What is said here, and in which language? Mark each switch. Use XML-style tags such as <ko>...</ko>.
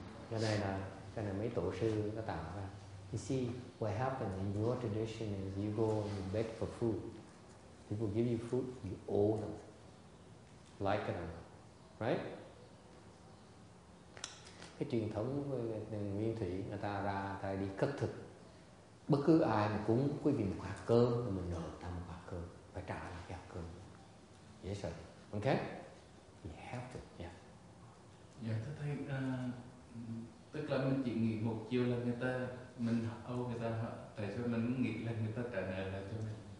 <vi>Cái này là mấy tổ sư đã tạo ra.</vi> <en>You see, what happens in your tradition is you go and you beg for food. People give you food, you owe them, like it or not, right?</en> <vi>Cái truyền thống nguyên thủy, người ta ra, ta đi cất thực. Bất cứ ai mà cúng quý vị một hạt cơm, mình nợ ta một hạt cơm, phải trả lại cái hạt cơm.</vi> <en>Yes, sir. Okay? You have to, yeah.</en> <vi>Dạ, thưa thầy, tức là mình chỉ nghĩ một chiều là người ta, mình âu người ta, tại sao mình nghĩ là người ta trả nợ lại cho mình?</vi>